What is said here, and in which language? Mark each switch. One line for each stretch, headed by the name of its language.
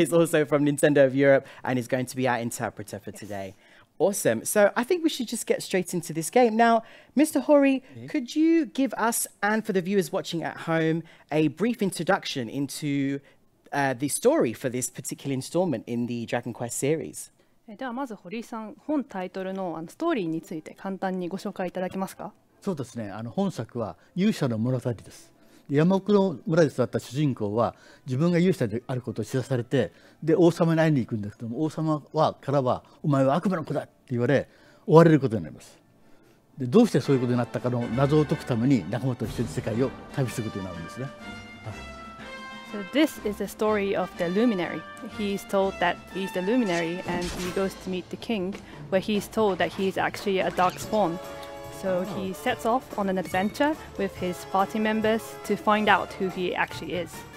English: is also from Nintendo of Europe and is going to be our interpreter for today. Awesome. So I think we should just get straight into this game. Now, Mr. Hori, could you give us, and for the viewers watching at home, a brief introduction into the story for this particular installment in the Dragon Quest series?
Japanese: ではまず堀さん、本タイトルのストーリーについて簡単にご紹介いただけますか？そうですね。本作は勇者の物語です。山奥の村で育った主人公は自分が勇者であることを知らされて、で王様に会いに行くんですけども、王様はからはお前は悪魔の子だって言われ追われることになります。でどうしてそういうことになったかの謎を解くために仲間と一緒に世界を旅することになるんですね。
English: So this is the story of the luminary. He is told that he is the luminary and he goes to meet the king, where he is told that he is actually a dark spawn. So he sets off on an adventure with his party members to find out who he actually is.